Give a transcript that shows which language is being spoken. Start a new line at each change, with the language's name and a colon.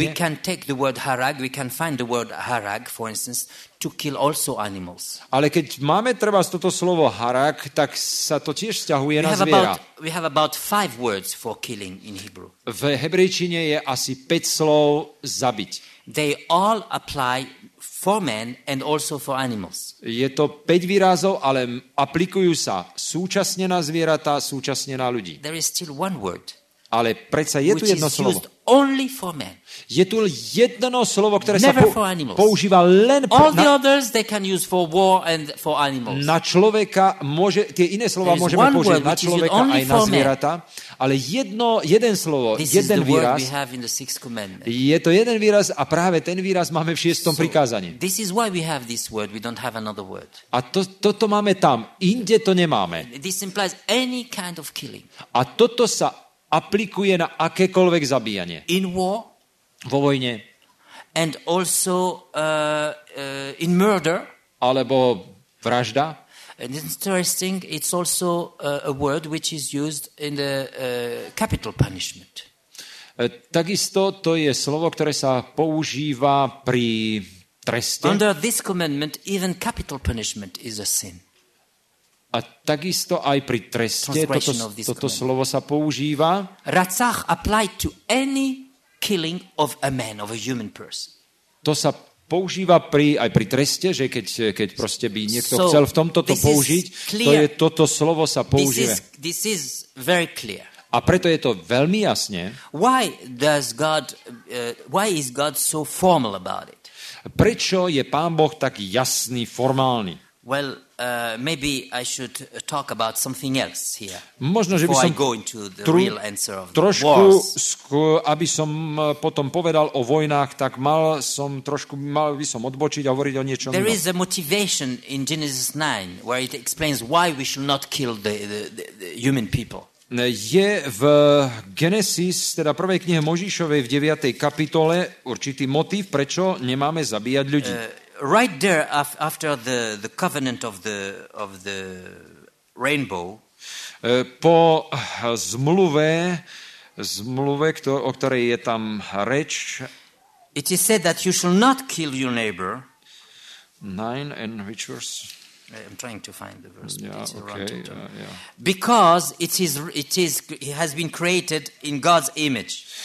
English: We can take the word harag, we can find the word harag for instance to kill also animals.
Slovak: Ale keď máme treba toto slovo harag, tak sa to tiež vzťahuje na zviera.
English: We have about five words for killing in Hebrew.
Slovak: V hebrejčine je asi 5 slov zabiť.
English: They all apply for men and also for animals.
Slovak: Je to 5 výrazov, ale aplikujú sa súčasne na zvieratá, súčasne na ľudí.
English: There is still one word.
Slovak: Ale predsa je tu jedno slovo.
English: Only for men.
Slovak: Je tu jedno slovo, ktoré
English: never
Slovak: sa používa len
English: pre all the others they can use for war and for animals.
Slovak: Na človeka môže tie iné slova môžeme použiť na človeka aj na zvieratá, ale jeden slovo,
English: this
Slovak: jeden výraz.
English: We have in the sixth commandment.
Slovak: Je to jeden výraz a práve ten výraz máme v šiestom prikázaní.
English: This is why we have this word, we don't have another word.
Slovak: A toto máme tam, inde to nemáme.
English: This implies any kind of killing.
Slovak: A toto sa aplikuje na akékoľvek zabíjanie.
English: In war,
Slovak: vo vojne.
English: And also in murder.
Slovak: Alebo vražda.
English: And interesting, it's also a word which is used in the capital punishment.
Slovak: Takisto to je slovo, ktoré sa používa pri treste.
English: Under this commandment, even capital punishment is a sin.
Slovak: A takisto aj pri treste toto slovo sa používa.
English: Ratzach applied to any killing of a man, of a human person.
Slovak: To sa používa aj pri treste, že keď proste by niekto chcel v tomto to použiť, to je toto slovo sa používa.
English: This is very clear.
Slovak: A preto je to veľmi jasne.
English: Why is God so formal about it?
Slovak: Prečo je Pán Boh tak jasný, formálny?
English: Well, maybe I should talk about something else here.
Slovak: Možno, že by som
English: I go into the real answer of the wars.
Slovak: Aby som potom povedal o vojnách, tak mal som trošku mal by som odbočiť a hovoriť o niečom.
English: There is a motivation in Genesis 9 where it explains why we should not kill the human people.
Slovak: Je v Genesis, teda prvej knihe Mojžišovej v 9. kapitole určitý motív, prečo nemáme zabíjať ľudí.
English: Right there after the covenant of the rainbow,
Slovak: po zmluve, o ktorej je tam reč,
English: it is said that you shall not kill your neighbor. 9 and which verse? I'm trying to find the verse, but it's around it. Because it has been created in God's image.